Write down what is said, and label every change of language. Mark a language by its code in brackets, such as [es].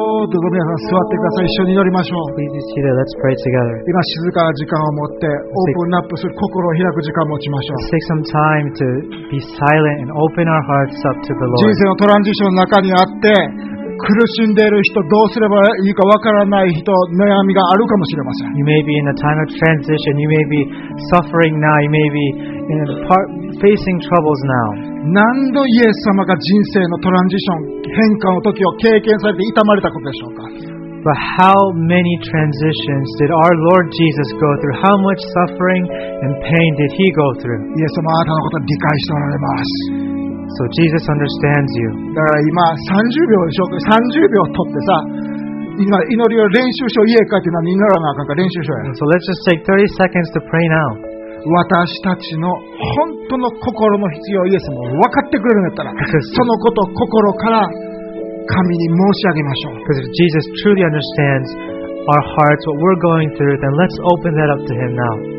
[ja] どうぞ皆さん座ってください。一緒に祈りましょう。 [en] Please sit there. Let's pray together. [ja] 今静かな時間を持ってオープンアップする心を開く時間を持ちましょう。 [en] Let's take some time to be silent and open our hearts up to the Lord. [ja] 人生のトランジションの中にあって苦しんでいる人、どうすればいいかわからない人、悩みがあるかもしれません。 [en] You may be in a time of transition. You may be suffering now. You may be in facing troubles now. [ja] 何度イエス様が人生のトランジション、変化の時を経験されて痛まれたことでしょうか。 [en] But how many transitions did our Lord Jesus go through? How much suffering and pain did He go through? [ja] イエス様はあなたのことを理解しておられます。 [en] So Jesus understands you. [ja] だから今30秒でしょうか。30秒取ってさ、今祈りを練習しよう。家帰って何祈らなあかんか練習しようや。 [en] So let's just take 30 seconds to pray now. [ja] 私たちの本当の心の必要をイエス様が分かってくれるんだったら、そのことを心から神に申し上げましょう。 [en] Because if Jesus truly understands our hearts, what we're going through, then let's open that up to Him now.